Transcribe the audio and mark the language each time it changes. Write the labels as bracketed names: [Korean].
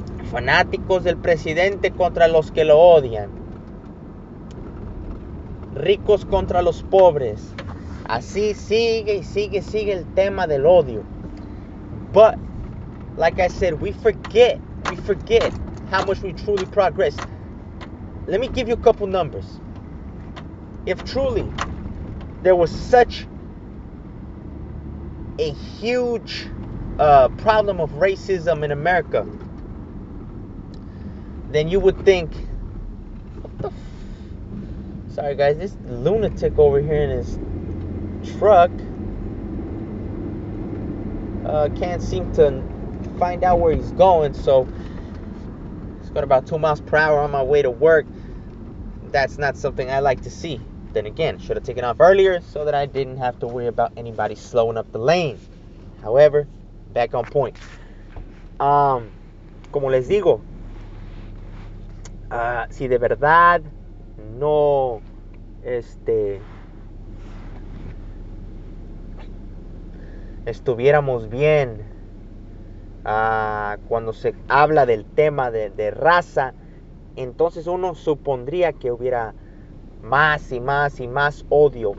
[Spanish] Fanáticos del presidente contra los que lo odian. Ricos contra los pobres. Así sigue y sigue, sigue el tema del odio. [English] But like I said, we forget how much we truly progress. Let me give you a couple numbers. If truly there was such a huge problem of racism in America, then you would think, sorry guys, this lunatic over here in his truck can't seem to find out where he's going, so he's got about 2 miles per hour on my way to work. That's not something I like to see. Then again, should have taken off earlier so that I didn't have to worry about anybody slowing up the lane. However, back on point. [Spanish] Como les digo, si de verdad no estuviéramos bien cuando se habla del tema de raza, entonces uno supondría que hubiera más y más y más odio.